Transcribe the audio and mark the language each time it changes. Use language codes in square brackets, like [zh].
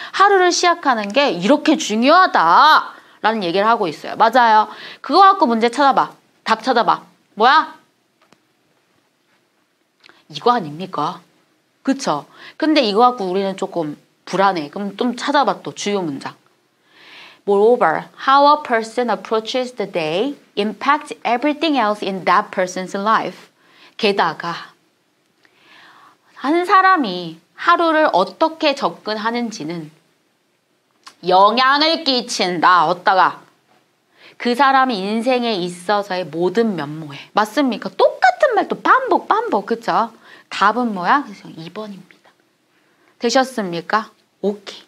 [ko] 하루를 시작하는 게 이렇게 중요하다라는 얘기를 하고 있어요. 맞아요. 그거 갖고 문제 찾아봐. 답 찾아봐. 뭐야? 이거 아닙니까? 그쵸? 근데 이거 갖고 우리는 조금 불안해. 그럼 좀 찾아봐 또 주요 문장. [en] Moreover, how a person approaches the day impacts everything else in that person's life. [ko] 게다가 한 사람이 하루를 어떻게 접근하는지는 영향을 끼친다. 어따가? 그 사람이 인생에 있어서의 모든 면모에. 맞습니까? 똑같은 말 또 반복 반복. 그쵸? 답은 뭐야? 그래서 2번입니다. 되셨습니까? 오케이.